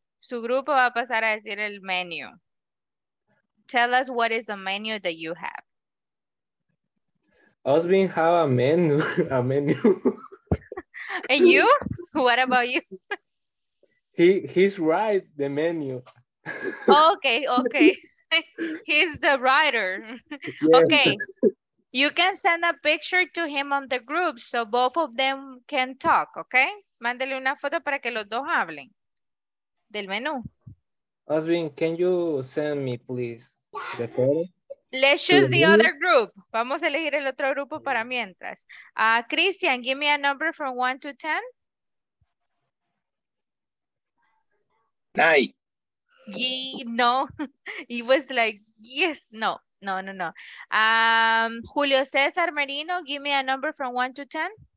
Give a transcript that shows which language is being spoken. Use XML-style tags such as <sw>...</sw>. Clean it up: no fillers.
<es>Su grupo va a pasar a decir el menu.</es> <en>Tell us what is the menu that you have. Osvin have a menu. And you? What about you? He's write the menu. Okay, okay. He's the writer. Yes. Okay. You can send a picture to him on the group so both of them can talk, okay?</en> <es>Mándele una foto para que los dos hablen del menú.</es> <en>Osvin, can you send me, please, the photo? Let's choose the other group.</en> <es>Vamos a elegir el otro grupo para mientras.</es> <en>Christian, give me a number from 1 to 10. 9. No, he was like, yes, no. Julio Cesar Merino, give me a number from 1 to 10.</en>